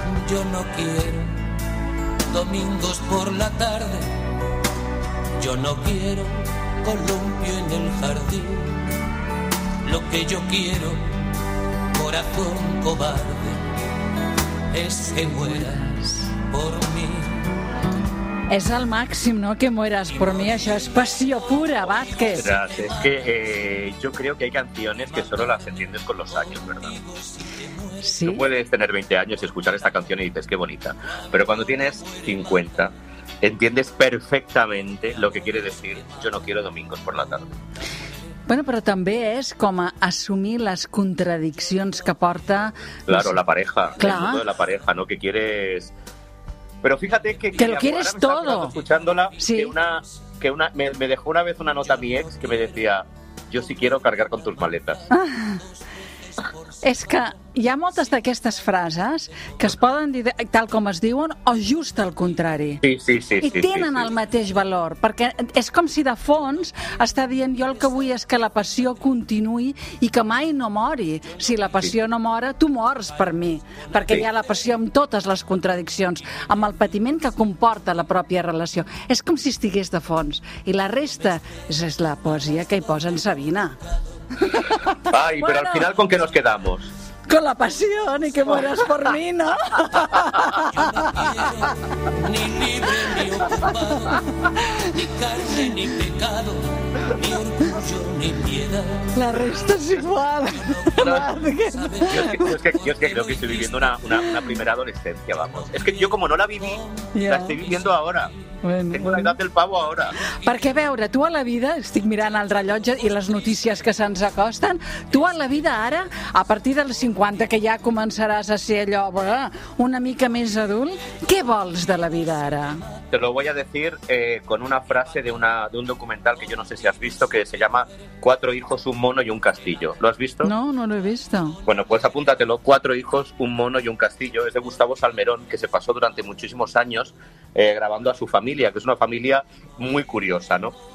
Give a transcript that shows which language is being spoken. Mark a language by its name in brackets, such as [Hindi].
[Spanish] Yo no quiero domingos por la tarde. Yo no quiero columpio en el jardín. Lo que yo quiero, corazón cobarde, es que mueras por mí. [Catalan] És el màxim, no?, [Spanish] que mueras por mí. [Catalan] Això és passió pura, Vázquez. [Spanish] Ostras, es que yo creo que hay canciones que solo las entiendes con los años, ¿verdad? ¿Sí? Tú puedes tener 20 años y escuchar esta canción y dices, qué bonita. Pero cuando tienes 50, entiendes perfectamente lo que quiere decir yo no quiero domingos por la tarde. [Catalan] Bueno, però també és com a assumir les contradiccions que porta... [Spanish] Claro, la pareja. Claro. El mundo de la pareja, ¿no? Que quieres... Pero fíjate que... Que lo quieres todo. Escuchándola, ¿sí? que una me dejó una vez una nota a mi ex que me decía, yo sí quiero cargar con tus maletas. [Catalan] És que hi ha moltes d'aquestes frases que es poden dir tal com es diuen o just al contrari. Sí. I tenen el mateix valor, perquè és com si de fons està dient, jo el que vull és que la passió continuï i que mai no mori. Si la passió no mora, tu mors per mi, perquè hi ha la passió amb totes les contradiccions, amb el patiment que comporta la pròpia relació. És com si estigués de fons. I la resta és la poesia que hi posa en Sabina. [Spanish] Ay, bueno, pero al final, ¿con qué nos quedamos? Con la pasión y que mueras por mí, ¿no? Yo no quiero ni libre ni ocupado, ni carne ni pecado, ni orgullo ni piedad. [Catalan] La resta es igual. [Spanish] Yo es que creo que estoy viviendo una primera adolescencia, vamos. Es que yo, como no la viví, yeah, la estoy viviendo ahora. Bueno, tengo la edad del pavo ahora. [Catalan] Perquè, a veure, tu a la vida, estic mirant el rellotge i les notícies que se'ns acosten, tu a la vida ara, a partir dels 50, 50, que ja començaràs a ser allò, una mica més adult. Què vols de la vida ara? [Spanish] Te lo voy a decir con una frase de una de un documental que yo no sé si has visto, que se llama Cuatro hijos, un mono y un castillo. ¿Lo has visto? No, no lo he visto. Bueno, pues apúntatelo. Cuatro hijos, un mono y un castillo. Es de Gustavo Salmerón, que se pasó durante muchísimos años grabando a su familia, que es una familia muy curiosa, ¿no?